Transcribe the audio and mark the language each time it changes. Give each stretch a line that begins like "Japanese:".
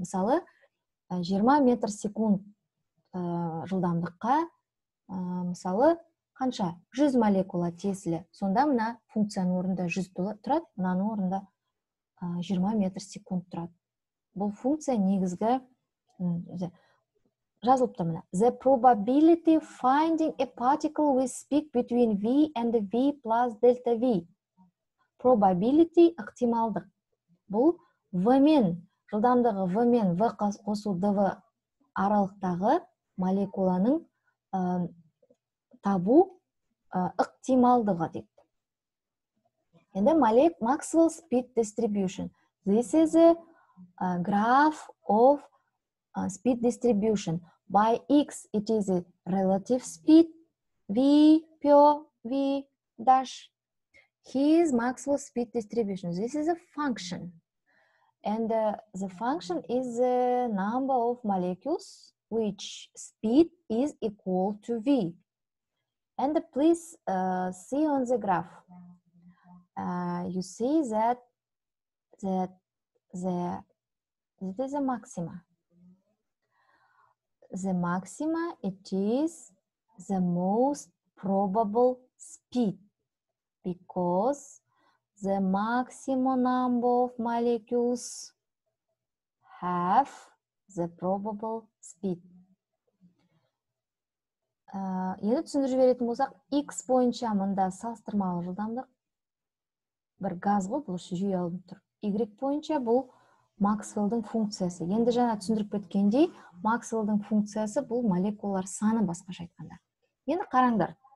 Kazakh: Мысалы, 20 метр секунд жылдамдыққа, мысалы, қанша? 100 молекула тиесілі. Сонда мына функцияның орында 100 тұрады, мынаның орында 20 метр секунд тұрады. Бұл функция негізгі жазылып тұр мына.
English: The probability finding a particle with speed between v and v plus delta v.
Kazakh: Probability ықтималдық. Бұл v мен жылдамдығы v мен v қосу dv аралықтағы молекуланың табу ықтималдығы дейді.
English: Енді Maxwell speed distribution. This is a graph of speed distribution. By x, it is a relative speed, v, pure v dash. Here is Maxwell's speed distribution. This is a function. And the function is the number of molecules which speed is equal to v. And please see on the graph. You see that it is a maxima. The maxima, it is the most probable speed because the maximum number of molecules have the probable speed.
Kazakh: Енді түсіндіріп жіберетін болсақ, x бойынша мында салыстырмалы жылдамдық бір газ ғой, бұл жүйе алып тұр. Y бойынша бұл Максвеллдің функциясы. Енді жаңа түсіндіріп кеткендей, Максвеллдің функциясы бұл молекулалар саны басқаша айтқанда. Енді қараңдар.